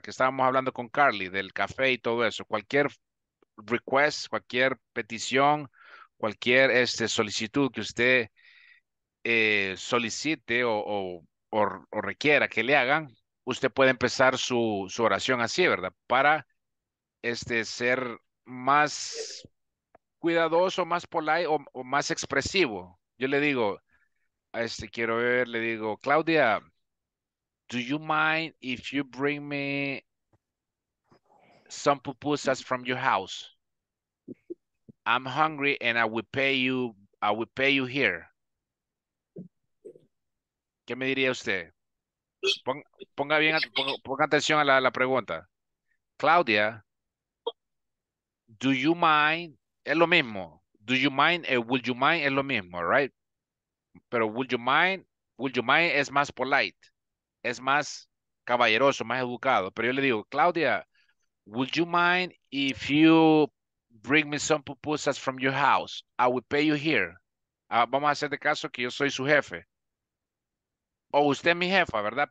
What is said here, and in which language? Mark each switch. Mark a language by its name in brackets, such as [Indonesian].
[Spanish] Que estábamos hablando con Carly, del café y todo eso. Cualquier request, cualquier petición, cualquier solicitud que usted solicite o requiera que le hagan, usted puede empezar su oración así, ¿verdad? Para ser más cuidadoso, más polite o más expresivo. Yo le digo, quiero ver, le digo, Claudia, [English] do you mind if you bring me some pupusas from your house? I'm hungry and I will pay you here. [Spanish] ¿Qué me diría usted? Ponga atención a la pregunta. [English] Claudia, do you mind? [Spanish] Es lo mismo. [English] Do you mind? Would you mind? [Spanish] Es lo mismo, [English] right? Pero would you mind? Would you mind? [Spanish] Es más polite. Es más caballeroso, más educado. Pero yo le digo, [English] Claudia, would you mind if you bring me some pupusas from your house? I will pay you here. [Spanish] Vamos a hacer de caso que yo soy su jefe. O usted es mi jefa, ¿verdad?